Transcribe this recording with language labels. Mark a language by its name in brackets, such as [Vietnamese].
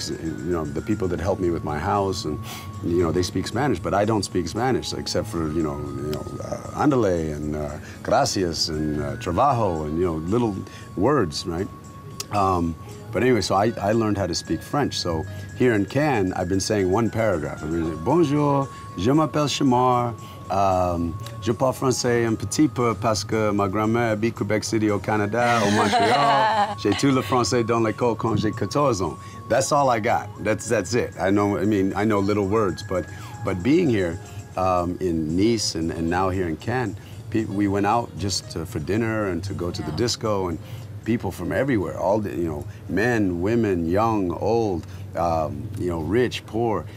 [English] You know, the people that help me with my house, and you know, they speak Spanish, but I don't speak Spanish except for you know, andale and gracias and trabajo and you know, little words, right? But anyway, so I learned how to speak French. So here in Cannes, I've been saying one paragraph. I've been saying, [French] bonjour, je m'appelle Shemar. Je parle français un petit peu parce que ma grand-mère habite Quebec City au Canada, au Montréal. J'ai tout le français dans l'école quand j'ai 14 ans. [English] That's all I got. That's it. I know little words, but being here in Nice and now here in Cannes, we went out just for dinner and to go to the disco, and people from everywhere, all the, you know, men, women, young, old, you know, rich, poor.